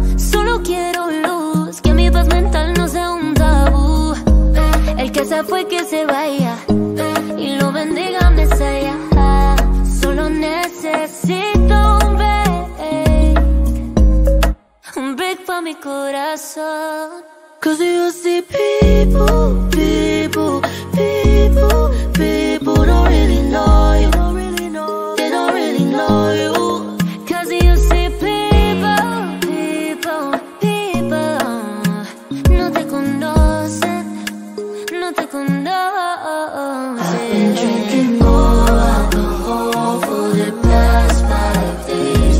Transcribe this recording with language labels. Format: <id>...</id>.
<es>Solo quiero luz, que mi paz mental no sea un tabú. El que se fue que se vaya y lo bendiga donde sea. Solo necesito un break, un break pa' mi corazón.</es> <en>Cause you see people, people, people, people don't really know you. They don't really know you. Cause you see people, people, people.</en> <es>No te conocen, no te conocen.</es> <en>I've been drinking more alcohol for the past 5 days.</en>